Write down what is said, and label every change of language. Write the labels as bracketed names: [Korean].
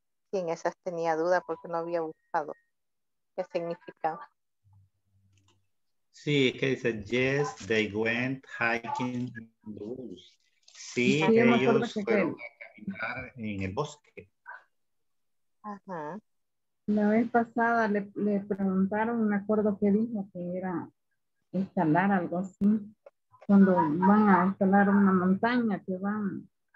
[Spanish] Sí, en esas tenía duda porque no había buscado qué significaba. Sí, que dice, [English] yes, they went hiking in the woods. [Spanish] Sí, ellos fueron a caminar en el bosque. Ajá. La vez pasada le preguntaron, me acuerdo que dijo que era escalar algo así, cuando van a escalar una montaña que van...